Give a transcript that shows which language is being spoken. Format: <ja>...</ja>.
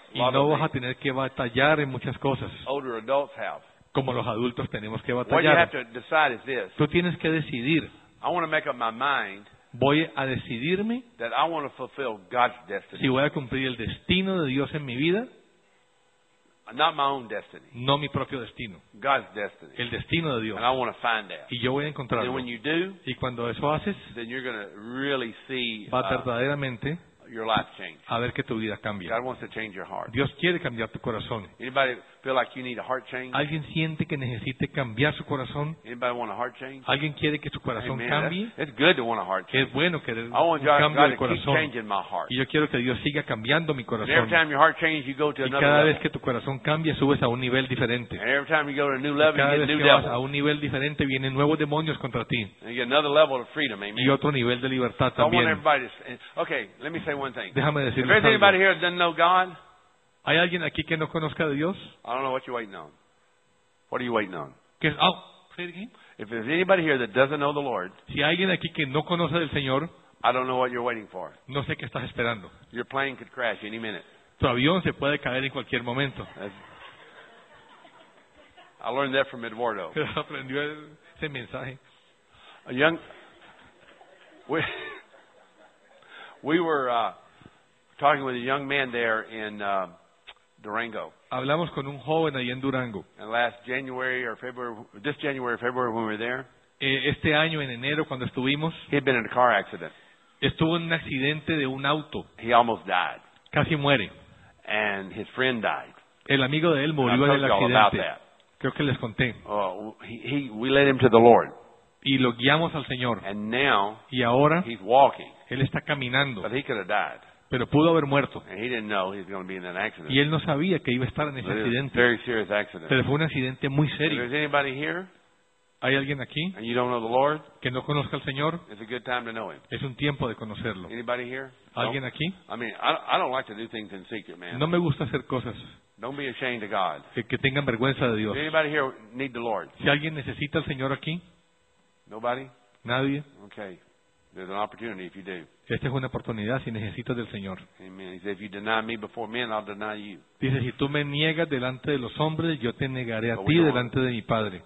<es>y no vas a tener que batallar en muchas cosas.</es> <en>Older adults have.</en> <es>Como los adultos tenemos que batallar.</es> <en>What you have to decide is this.</en> <es>Tú tienes que decidir.</es> <en>I want to make up my mind.</en> <es>Voy a decidirme</es> <en>that I want to fulfill God's destiny.</en> <es>Si voy a cumplir el destino de Dios en mi vida.</es> <en>Not my own destiny.</en> <es>No mi propio destino.</es> <en>God's destiny.</en> <es>El destino de Dios.</es> <en>And I want to find that.</en> <es>Y yo voy a encontrarlo.</es> <en>And when you do,</en> <es>y cuando eso haces,</es> <en>then you're going to really see,</en> <es>va a verdaderamente</es> <en>your life change.</en> <es>A ver que tu vida cambia.</es> <en>God wants to change your heart.</en> <es>Dios quiere cambiar tu corazón.</es> <en>Anybody feel like you need a heart change?</en> <es>¿Alguien siente que necesite cambiar su corazón?</es> <en>Anybody want a heart change?</en> <es>¿Alguien quiere que su corazón amen cambie?</es> <en>It's good to want a heart change.</en> <es>Es bueno querer</es> <en>I want</en> <es>un cambio de corazón.</es> <en>To keep changing my heart.</en> <es>Y yo quiero que Dios siga cambiando mi corazón.</es> <en>And every time your heart changes, you go to</en> <es>y</es> <en>another</en> <es>cada</es> <en>level.</en> <es>Vez que tu corazón cambia, subes a un nivel diferente.</es> <en>And every time you go to a new level,</en> <es>y cada</es> <en>you</en> <es>vez</es> <en>get</en> <es>que</es> <en>new</en> <es>vas</es> <en>devil.</en> <es>A un nivel diferente, vienen nuevos demonios contra ti.</es> <en>And you get another level of freedom, amen.</en> <es>Y otro nivel de libertad también.</es> <en>So I want everybody to say, okay, let me say one thing.</en> <es>Déjame decirles</es> <en>if there's anybody here that doesn't know God,</en> <es>¿hay alguien aquí que no conozca a Dios?</es> <en>I don't know what you're waiting on. What are you waiting on? Que, oh, say it again. If there's anybody here that doesn't know the Lord,</en> <es>si hay alguien aquí que no conoce del Señor,</es> <en>I don't know what you're waiting for.</en> <es>No sé qué estás esperando.</es> <en>Your plane could crash any minute.</en> <es>Tu avión se puede caer en cualquier momento.</es> <en>I learned that from Eduardo.</en> <es>Aprendió ese mensaje.</es> <en>A young... We were talking with a young man there in... Durango.</en> <es>Hablamos con un joven ahí en Durango.</es> <en>And last January or February, this January or February when we were there.</en> <es>Este año en enero cuando estuvimos.</es> <en>He had been in a car accident.</en> <es>Estuvo en un accidente de un auto.</es> <en>He almost died.</en> <es>Casi muere.</es> <en>And his friend died.</en> <es>El amigo de él murió en el accidente. Creo que les conté.</es> <en>We led him to the Lord.</en> <es>Y lo guiamos al Señor.</es> <en>And now.</en> <es>Y ahora.</es> <en>He's walking.</en> <es>Él está caminando.</es> <en>But he could have died.</en> <es>Pero pudo haber muerto.</es> <en>And he didn't know he was going to be in an accident.</en> <es>Y él no sabía que iba a estar en ese accidente.</es> <en>Very serious accident.</en> <es>Pero fue un accidente muy serio.</es> <en>Is anybody here?</en> <es>¿Hay alguien aquí?</es> <en>And you don't know the Lord?</en> <es>Que no conozca al Señor.</es> <en>It's a good time to know him.</en> <es>Es un tiempo de conocerlo.</es> <en>Anybody here?</en> <es>¿Alguien aquí?</es> <en>I mean, I don't like to do things in secret, man.</en> <es>No me gusta hacer cosas.</es> <en>Don't be ashamed of God.</en> <es>Que tengan vergüenza de Dios.</es> <en>Does anybody here need the Lord?</en> <es>¿Si alguien necesita al Señor aquí?</es> <en>Nobody?</en> <es>Nadie.</es> <en>Okay. There's an opportunity if you do.</en> <es>Esta es una oportunidad si necesitas del Señor.</es> <en>Amen. He said, if you deny me before men, I'll deny you.</en> <es>Dice, si tú me niegas delante de los hombres, yo te negaré a ti delante de mi Padre.</es>